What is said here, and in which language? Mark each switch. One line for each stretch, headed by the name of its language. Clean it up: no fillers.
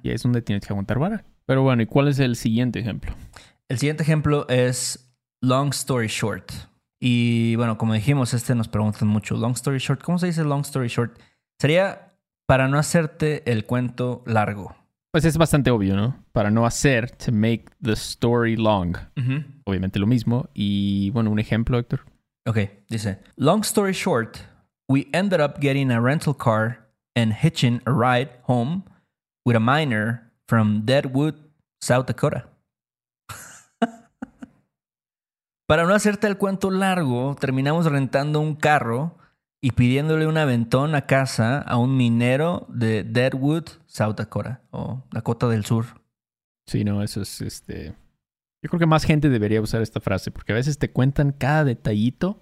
Spanish: Y es donde tienes que aguantar vara. Pero bueno, ¿y cuál es el siguiente ejemplo? El siguiente ejemplo es
English: long story short.
Spanish: Y bueno, como dijimos, este nos preguntan mucho.
English: Long story short,
Spanish: ¿cómo se dice
English: long story short?
Spanish: Sería para no hacerte el cuento largo. Pues es bastante obvio, ¿no? Para no hacer,
English: to make the story long.
Spanish: Uh-huh. Obviamente lo mismo. Y bueno, un ejemplo, Héctor. Ok, dice,
English: long story short, we ended up getting a rental car and hitching a ride home with a miner from Deadwood, South Dakota.
Spanish: Para no hacerte el cuento largo, terminamos rentando un carro y pidiéndole un aventón a casa a un minero de Deadwood, South Dakota, o Dakota del Sur. Sí, no, eso es este... Yo creo que más gente debería usar esta frase, porque a veces te cuentan cada detallito.